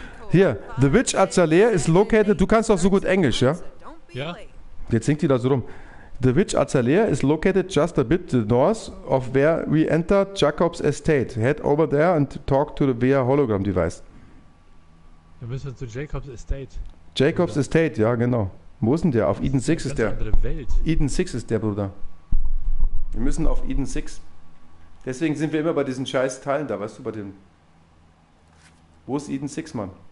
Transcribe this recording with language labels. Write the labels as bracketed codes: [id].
[en] Hier, The Witch Azalea is located. [de] Du kannst doch so gut Englisch, ja? Ja. Jetzt singt die da so rum. [en] The Witch Azalea is located just a bit to the north of where we enter Jacob's Estate. Head over there and talk to the via hologram device. [de] Wir müssen zu Jacob's Estate. Jacob's Bruder. Estate, ja, genau. Wo ist denn der? Auf Eden 6 ist der. Andere Welt. Eden 6 ist der, Bruder. Wir müssen auf Eden 6. Deswegen sind wir immer bei diesen scheiß Teilen da, weißt du, bei dem. Wo ist Eden 6, Mann?